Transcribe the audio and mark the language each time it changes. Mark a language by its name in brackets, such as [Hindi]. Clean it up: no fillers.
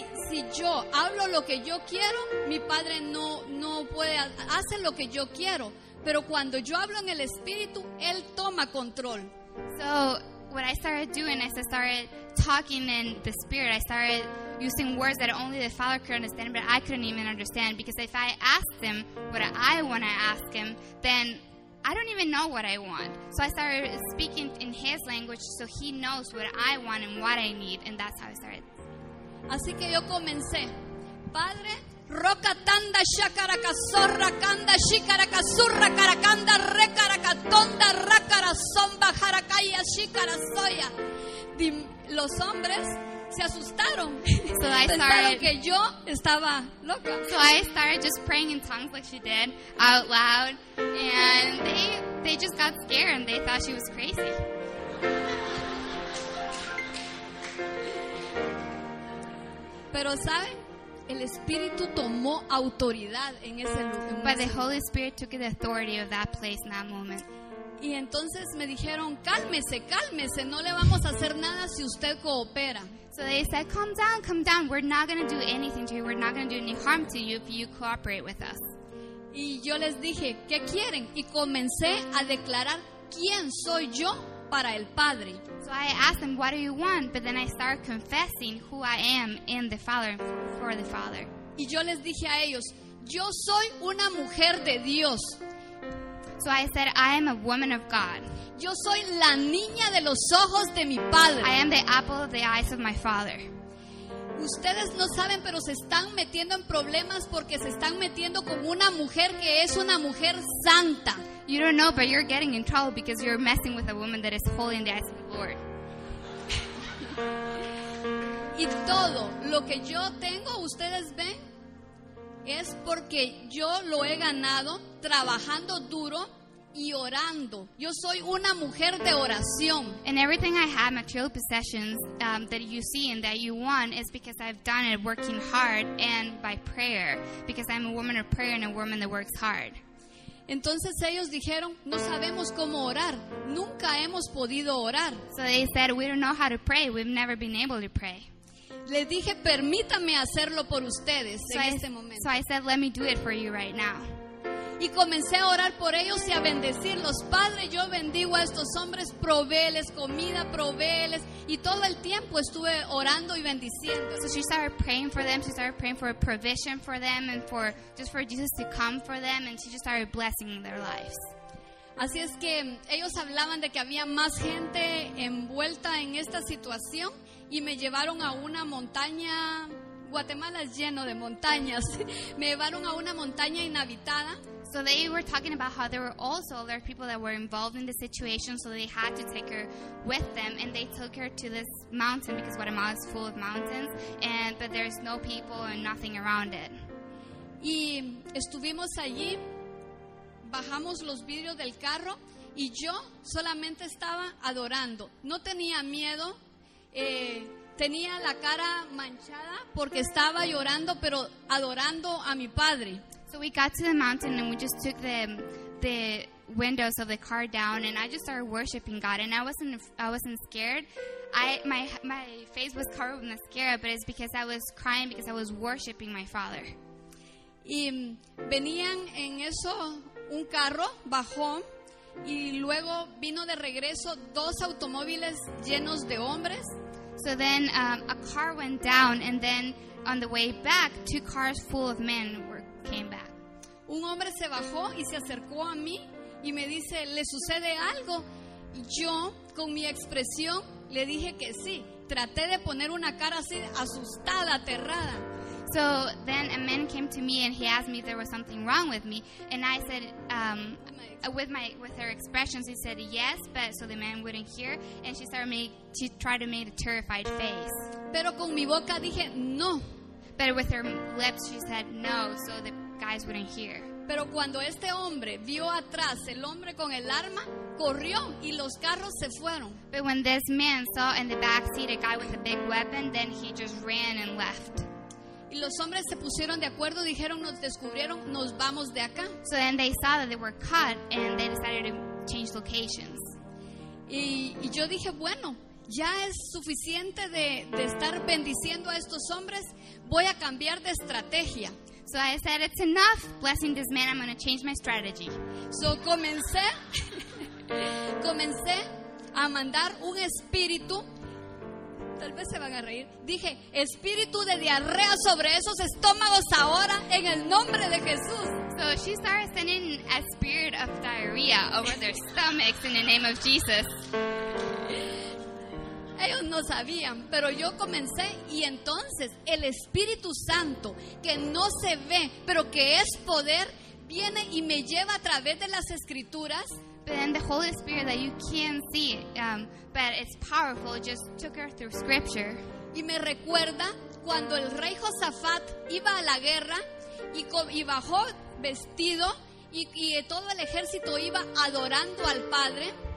[Spanish] Si yo hablo lo que yo quiero, mi padre no puede hacer lo que yo quiero. Pero cuando yo hablo en el Espíritu, Él toma control. [English] So, what I started doing is I started talking in the Spirit. I started using words that only the Father could understand, but I couldn't even understand. Because if I asked Him what I want to ask Him, then I don't even know what I want. So I started speaking in His language so He knows what I want and what I need. And that's how I started. [Spanish] Así que yo comencé. Padre, Roca tanda shakara kasorra kanda shikara kasurra karakanda rekara katonda rakara somba harakaya shikara soya. Los hombres se asustaron. [English] So I started just praying in tongues like she did out loud, and they just got scared and they thought she was crazy. [Spanish] Pero sabe, el Espíritu tomó autoridad en ese lugar. [English] But the Holy Spirit took the authority of that place in that moment. [Spanish] Y entonces me dijeron, cálmese, cálmese, no le vamos a hacer nada si usted coopera. [English] So they said, calm down, calm down. We're not going to do anything to you. We're not going to do any harm to you if you cooperate with us. [Spanish] Y yo les dije, ¿qué quieren? Y comencé a declarar quién soy yo para el Padre. [English] So I asked them, what do you want? But then I started confessing who I am in the Father, for the Father. [Spanish] Y yo les dije a ellos, yo soy una mujer de Dios. [English] So I said, I am a woman of God. [Spanish] Yo soy la niña de los ojos de mi padre. [English] I am the apple of the eyes of my father. [Spanish] Ustedes no saben, pero se están metiendo en problemas porque se están metiendo con una mujer que es una mujer santa. [English] You don't know, but you're getting in trouble because you're messing with a woman that is holy in the eyes of the Lord. [Spanish] Y todo lo que yo tengo, ustedes ven, es porque yo lo he ganado trabajando duro y orando. Yo soy una mujer de oración. [English] And everything I have, material possessions that you see and that you want, is because I've done it working hard and by prayer, because I'm a woman of prayer and a woman that works hard. [Spanish] Entonces ellos dijeron, no sabemos cómo orar. Nunca hemos podido orar. [English] So they said, we don't know how to pray. We've never been able to pray. [Spanish] Le dije, permítame hacerlo por ustedes en este momento. [English] So I said, let me do it for you right now. [Spanish] Y comencé a orar por ellos y a bendecirlos. Padre, yo bendigo a estos hombres, provéeles comida, provéeles. Y todo el tiempo estuve orando y bendiciendo. [English] So she started praying for them. She started praying for a provision for them and for just for Jesus to come for them. And she just started blessing their lives. [Spanish] Así es que ellos hablaban de que había más gente envuelta en esta situación. Y me llevaron a una montaña. Guatemala es lleno de montañas. Me llevaron a una montaña inhabitada. [English] So they were talking about how there were also other people that were involved in the situation, so they had to take her with them, and they took her to this mountain because Guatemala is full of mountains, and but there's no people and nothing around it. [Spanish] Y estuvimos allí, bajamos los vidrios del carro y yo solamente estaba adorando. No tenía miedo. Tenía la cara manchada porque estaba llorando, pero adorando a mi padre. [English] So we got to the mountain and we just took the windows of the car down, and I just started worshiping God. And I wasn't scared. My face was covered with mascara, but it's because I was crying because I was worshiping my father. [Spanish] Y venían en eso un carro bajó. Y luego vino de regreso dos automóviles llenos de hombres. [English] So then a car went down, and then on the way back, two cars full of men came back. [Spanish] Un hombre se bajó y se acercó a mí y me dice, ¿le sucede algo? Y yo, con mi expresión, le dije que sí. Traté de poner una cara así, asustada, aterrada. [English] So then a man came to me and he asked me if there was something wrong with me. And I said, with her expressions, he said yes, but so the man wouldn't hear. And she tried to make a terrified face. [Spanish] Pero con mi boca dije, no. [English] But with her lips, she said no, so the guys wouldn't hear. [Spanish] Pero cuando este hombre vio atrás el hombre con el arma, corrió y los carros se fueron. [English] But when this man saw in the back seat a guy with a big weapon, then he just ran and left. [Spanish] Y los hombres se pusieron de acuerdo, dijeron, nos descubrieron, nos vamos de acá. [English] So then they saw that they were caught, and they decided to change locations. [Spanish] Y yo dije, bueno, ya es suficiente de estar bendiciendo a estos hombres, voy a cambiar de estrategia. [English] So I said, it's enough blessing this man, I'm going to change my strategy. [Spanish] So comencé a mandar un espíritu. Tal vez se van a reír. Dije, espíritu de diarrea sobre esos estómagos ahora en el nombre de Jesús. [English] So she started sending a spirit of diarrhea over their stomachs in the name of Jesus. [Spanish] Ellos no sabían, pero yo comencé, y entonces el Espíritu Santo, que no se ve, pero que es poder, viene y me lleva a través de las Escrituras. [English] But then the Holy Spirit that you can't see, but it's powerful, just took her through Scripture. [Spanish] Y me recuerda cuando el rey Josafat iba a la guerra y bajó vestido y todo el ejército iba adorando al Padre.